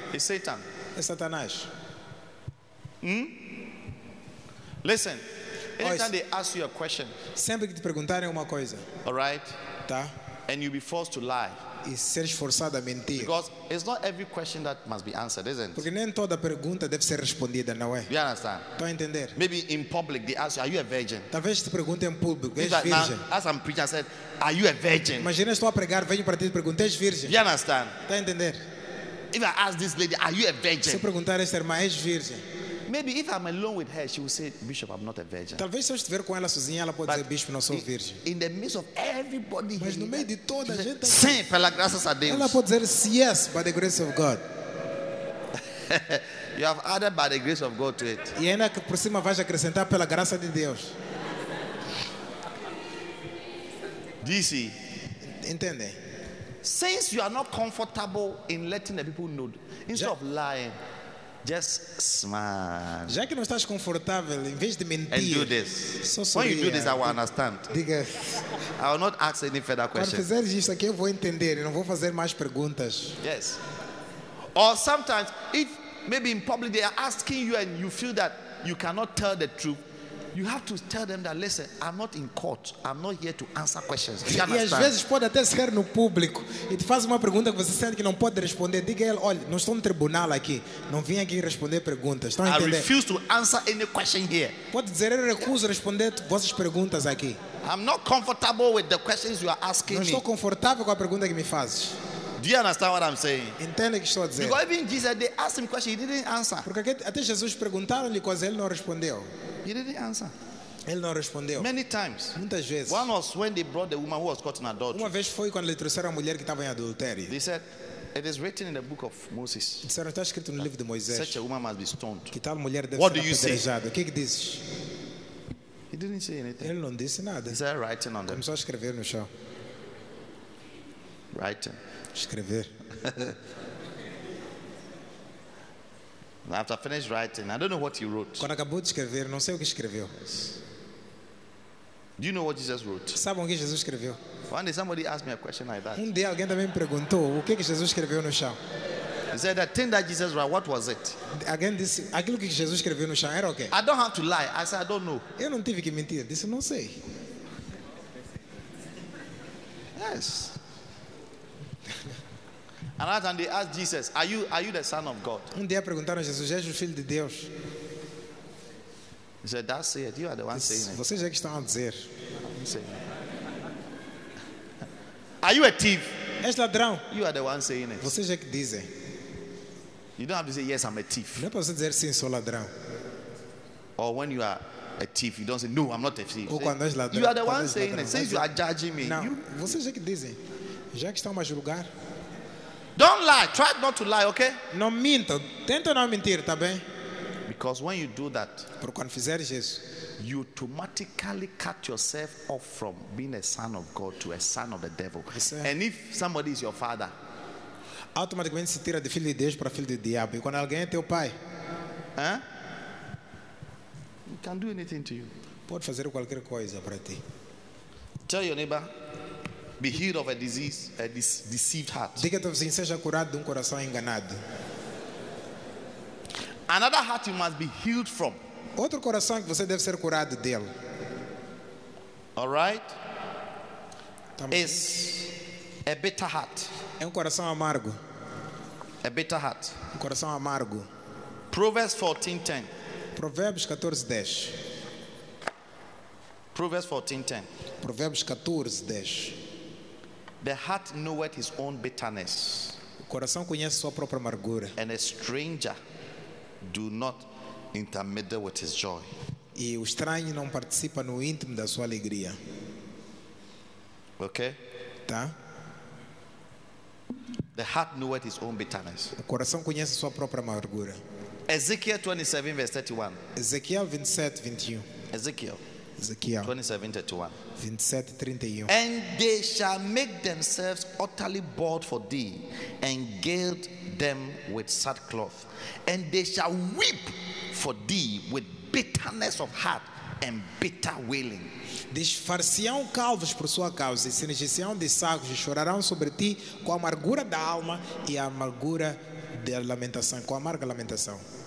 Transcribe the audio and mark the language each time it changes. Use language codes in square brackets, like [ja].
[en] It's Satan. [pt] É Satanás. [en] Listen. Anytime they ask you a question. [pt] Sempre que te perguntarem uma coisa. [en] All right? [pt] Tá? [en] And you be forced to lie. [pt] E seres forçado a mentir. [en] Because it's not every question that must be answered, isn't it? [pt] Porque nem toda pergunta deve ser respondida, não é? [en] You understand? [pt] Tô a entender. [en] Maybe in public they ask you, are you a virgin? [pt] Talvez te perguntem em público, és virgem? [en] As I'm preaching, I said, are you a virgin? [pt] Imagina, estou a pregar, venho para ti e pergunto, és virgem? [en] You understand? [pt] Tô a entender. [en] If I ask this lady, are you a virgin? [pt] Se eu perguntar a esta irmã, és virgem? [en] Maybe if I'm alone with her, she will say, Bishop, I'm not a virgin. [pt] Talvez se eu estiver com ela sozinha, ela pode [en] but [pt] dizer, Bishop, não sou virgem. [en] In the midst of everybody [pt] mas no meio de toda a gente, sim, pela graça a Deus. Ela pode dizer, [en] yes, by the grace of God. You have added by the grace of God to it. [pt] E ainda por cima vais acrescentar pela graça de Deus. DC. Entende? [en] Since you are not comfortable in letting the people know, instead of lying, just smile. [pt] Já que não estás confortável, em vez de mentir, [en] and do this. [pt] Só [en] when you do this, I will understand. [pt] Diga, [en] I will not ask any further questions. [pt] Quando fizeres isso aqui, eu vou entender. Eu não vou fazer mais perguntas. [en] Yes. Or sometimes, if maybe in public they are asking you and you feel that you cannot tell the truth, you have to tell them that, listen, I'm not in court. I'm not here to answer questions. [pt] E às vezes pode até ser no público e te faz uma pergunta que você sente que não pode responder. Diga a ele, olha, não estou no tribunal aqui. Não vim aqui responder perguntas. Estão a entender? [en] I refuse to answer any question here. [pt] Pode dizer, eu recuso responder vossas perguntas aqui. [en] I'm not comfortable with the questions you are asking me. [pt] Não estou confortável com a pergunta que me fazes. [en] Do you understand what I'm saying? [pt] Entende o que estou a dizer? [en] Because even Jesus, they asked him questions, he didn't answer. [pt] Porque até Jesus perguntaram-lhe coisas, ele não respondeu. [en] He didn't answer. [pt] Ele não respondeu. [en] Many times. [pt] Muitas vezes. [en] One was when they brought the woman who was caught in adultery. [pt] Uma vez foi quando lhe trouxeram a mulher que estava em adultério. [en] They said, it is written in the book of Moses. [pt] Disseram, está escrito no livro de Moisés. [en] Such a woman must be stoned. [pt] Que tal mulher deve [en] what [pt] ser apedrejada? [en] Say? [pt] O que que dizes? [en] He didn't say anything. [pt] Ele não disse nada. [en] Is there writing on [pt] começou a escrever no chão. [en] Writing. [pt] Escrever. [en] After finished writing, I don't know what he wrote. [pt] Quando acabou de escrever, não sei o que escreveu. [en] Yes. Do you know what Jesus wrote? [pt] Sabe o que Jesus escreveu? [en] One day somebody asked me a question like that. [pt] Um dia alguém também me perguntou o que Jesus escreveu no chão. [en] He said that thing that Jesus wrote, what was it? Again, this [pt] aquilo que Jesus escreveu no chão era o quê? [en] I don't have to lie. I said I don't know. [pt] Eu não tive que mentir. Disse não sei. [en] Yes. And that time they asked Jesus, "Are you the Son of God?" [pt] Um dia perguntaram a Jesus, "És o filho de Deus?" [en] He said, "That's it. You are the one saying it." [pt] Vocês é que estão a dizer. [en] Are you a thief? [pt] És ladrão. [en] You are the one saying it. [pt] Vocês é que dizem. [en] You don't have to say yes, I'm a thief. [pt] Não posso dizer sim, sou ladrão. [en] Or when you are a thief, you don't say no, I'm not a thief. [pt] Ou quando és ladrão. [en] You are the one saying it. Since you are judging me. [pt] Não. Vocês é que dizem. Já que estão a julgar. [en] Don't lie. Try not to lie, okay? [pt] Não minta. Tenta não mentir, tá bem? [en] Because when you do that, [pt] porque quando fizeres isso, [en] you automatically cut yourself off from being a son of God to a son of the devil. [pt] Você, [en] and if somebody is your father, [pt] automaticamente se tira de filho de Deus para filho de diabo. E quando alguém é teu pai, [en] huh? He can do anything to you. [pt] Pode fazer qualquer coisa para ti. [en] Tell your neighbor, be healed of a disease, a deceived heart. [pt] Diga ao teu vizinho, seja curado de coração enganado. [en] Another heart you must be healed from. [pt] Outro coração que você deve ser curado dele. [en] All right. Is a bitter heart. [pt] É coração amargo. [en] A bitter heart. [pt] Coração amargo. [en] Proverbs 14:10. [pt] Provérbios 14:10. [en] Proverbs 14:10. [pt] Provérbios 14:10. [en] The heart knoweth his own bitterness. [pt] O coração conhece sua própria amargura. [en] And a stranger do not intermeddle with his joy. [pt] E o estranho não participa no íntimo da sua alegria. [en] Okay? [pt] Tá? [en] The heart knoweth his own bitterness. [pt] O coração conhece sua própria amargura. [en] Ezekiel 27, verse 31. Ezekiel 27, 21. Ezekiel. Ezekiel 27:31. 27:31. And they shall make themselves utterly bald for thee, and gird them with sackcloth, and they shall weep for thee with bitterness of heart and bitter wailing. [pt] Desfar-se-ão calvos por sua causa, e cingir-se-ão de sacos, e chorarão sobre ti com a amargura da alma e a amargura da lamentação, com a amarga lamentação.